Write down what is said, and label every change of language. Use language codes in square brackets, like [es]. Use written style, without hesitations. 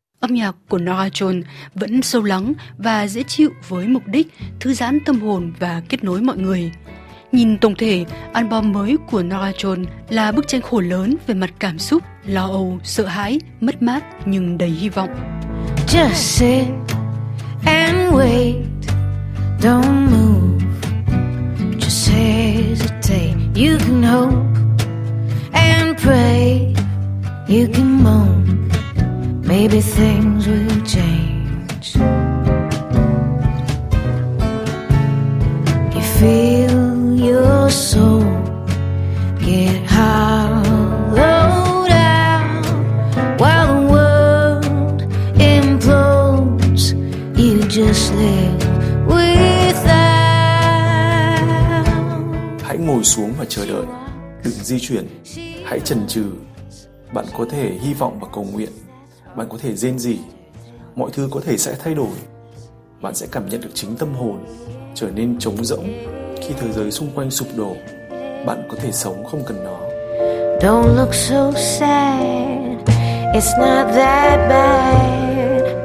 [vi] Âm nhạc của Norah Jones vẫn sâu lắng và dễ chịu với mục đích thư giãn tâm hồn và kết nối mọi người. Nhìn tổng thể, album mới của Norah Jones là bức tranh khổ lớn về mặt cảm xúc, lo âu, sợ hãi, mất mát nhưng đầy hy vọng. [en] Just sit and wait, don't move, just hesitate, you can hope and pray, you can moan, maybe things will change. You feel your soul get hollowed out while the world implodes. You just live without. [vi] Hãy ngồi xuống và chờ đợi. Đừng di chuyển. Hãy chần chừ. Bạn có thể hy vọng và cầu nguyện. Bạn có thể rên rỉ. Mọi thứ có thể sẽ thay đổi. Bạn sẽ cảm nhận được chính tâm hồn trở nên trống rỗng. Khi thế giới xung quanh sụp đổ, bạn có thể sống không cần nó. [en] Don't look so sad, it's not that bad.